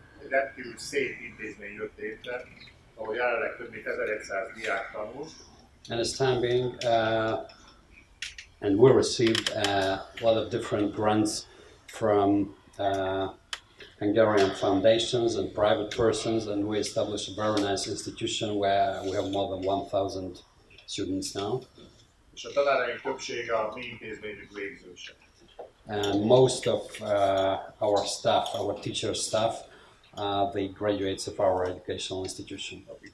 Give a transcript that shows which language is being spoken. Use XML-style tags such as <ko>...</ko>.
<hu>Rendkívül szép intézmény jött létre, ahol jelenleg több mint 1100 diák tanul.</hu> <en>And it's time being, and we received a lot of different grants from Hungarian foundations and private persons, and we established a very nice institution where we have more than 1000 students now.</en> <hu>És a tanáraink többsége a mi intézményük végzőse.</hu> <en>And most of our staff, our teacher staff, the graduates of our educational institution.</en>